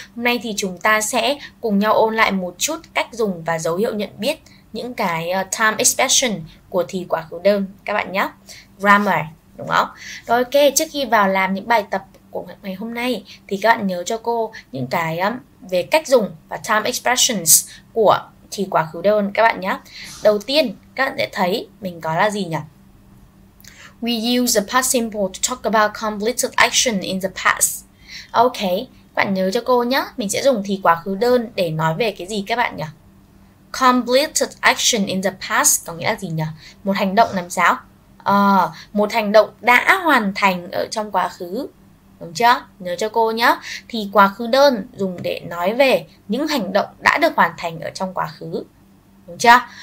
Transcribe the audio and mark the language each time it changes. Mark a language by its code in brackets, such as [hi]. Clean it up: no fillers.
[vi] Hôm nay thì chúng ta sẽ cùng nhau ôn lại một chút cách dùng và dấu hiệu nhận biết những cái time expression của thì quá khứ đơn các bạn nhé. Grammar, đúng không? Rồi ok, trước khi vào làm những bài tập của ngày hôm nay thì các bạn nhớ cho cô những cái về cách dùng và time expressions của thì quá khứ đơn các bạn nhé. Đầu tiên, các bạn sẽ thấy mình có là gì nhỉ? [en] We use the past simple to talk about completed action in the past. [vi] Ok, các bạn nhớ cho cô nhé. Mình sẽ dùng thì quá khứ đơn để nói về cái gì các bạn nhỉ? [en] Completed action in the past [vi] có nghĩa là gì nhỉ? Một hành động làm sao? Một hành động đã hoàn thành ở trong quá khứ. Đúng chưa? Nhớ cho cô nhé. Thì quá khứ đơn dùng để nói về những hành động đã được hoàn thành ở trong quá khứ. Đúng chưa?